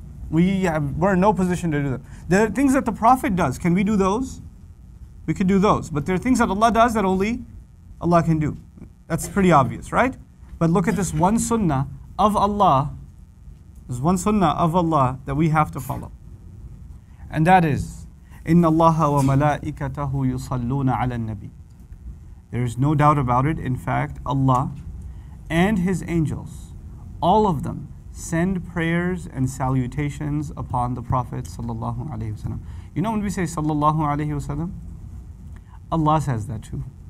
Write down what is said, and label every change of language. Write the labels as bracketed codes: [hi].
[en] We're in no position to do them. There are things that the Prophet does. Can we do those? We could do those. But there are things that Allah does that only Allah can do. That's pretty obvious, right? But look at this one sunnah of Allah. There's one sunnah of Allah that we have to follow. And that is, [ar] إِنَّ اللَّهَ وَمَلَائِكَتَهُ يُصَلُّونَ عَلَى النَّبِيِّ. [en] There is no doubt about it. In fact, Allah and His angels, all of them, send prayers and salutations upon the Prophet sallallahu alaihi wasallam. You know when we say sallallahu alaihi wasallam, Allah says that too.